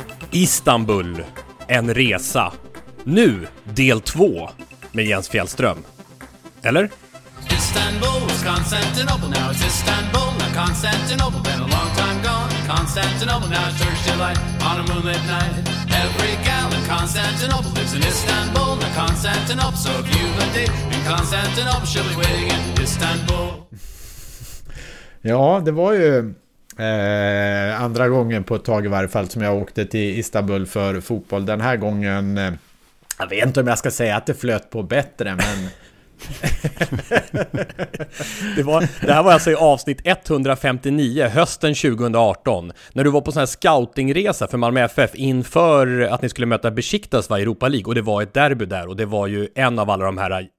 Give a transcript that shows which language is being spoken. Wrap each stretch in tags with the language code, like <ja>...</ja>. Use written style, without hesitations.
<sv>Istanbul, en resa. Nu, del 2 med Jens Fjällström. Eller?</sv> <en>Istanbul, Constantinople, now it's Istanbul, now Constantinople, been a long time gone. Constantinople, now it's Turkish delight on a moonlit night. Every gal in Constantinople lives in Istanbul, now Constantinople, so if you've a date in Constantinople, she'll be waiting in Istanbul.</en> <sv>Ja, det var ju Andra gången på ett tag i varje fall som jag åkte till Istanbul för fotboll. Den här gången, jag vet inte om jag ska säga att det flöt på bättre, men det här var alltså i avsnitt 159 hösten 2018 när du var på sån här scoutingresa för Malmö FF inför att ni skulle möta Besiktas i Europa League, och det var ett derby där, och det var ju en av alla de här.</sv>